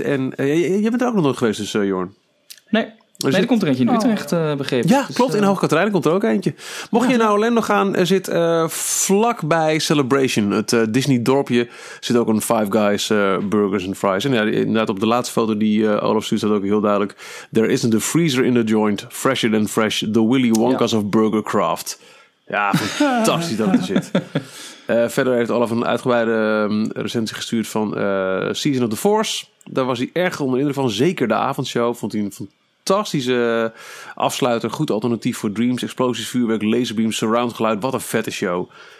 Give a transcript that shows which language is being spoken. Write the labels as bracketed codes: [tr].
[nl] En je bent er ook nog nooit geweest dus, Jorn. Nee. Er komt er eentje in Utrecht, begrepen. Ja, dus, klopt. In Hoogkaterijnen komt er ook eentje. Mocht je naar Orlando gaan, er zit vlakbij Celebration. Het Disney-dorpje zit ook een Five Guys Burgers and Fries. En ja, inderdaad, op de laatste foto die Olaf stuurt, staat ook heel duidelijk. [en] There isn't a freezer in the joint, fresher than fresh, the Willy Wonka's of Burger Craft. [nl] Ja, fantastisch dat het er zit. Verder heeft Olaf een uitgebreide recensie gestuurd van Season of the Force. Daar was hij erg onder indruk van. Zeker de avondshow vond hij een fantastische afsluiter. Goed alternatief voor Dreams. Explosies, vuurwerk, laserbeams, surround geluid. Wat een vette show.